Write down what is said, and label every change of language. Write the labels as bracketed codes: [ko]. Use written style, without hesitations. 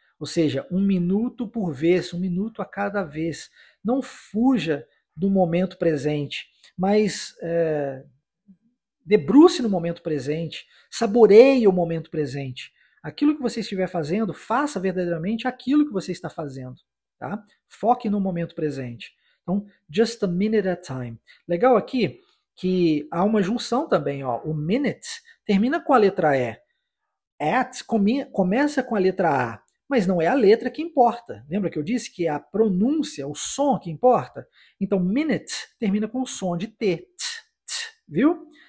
[pt] Ou seja, um minuto por vez, um minuto a cada vez. Não fuja do momento presente, mas debruce no momento presente, saboreie o momento presente. Aquilo que você estiver fazendo, faça verdadeiramente aquilo que você está fazendo, tá? Foque no momento presente. [en] Então, just a minute at a time. [pt] Legal aqui que há uma junção também, ó. O minute termina com a letra E. At começa com a letra A, mas não é a letra que importa. Lembra que eu disse que é a pronúncia, o som que importa? Então, minute termina com o som de T, viu?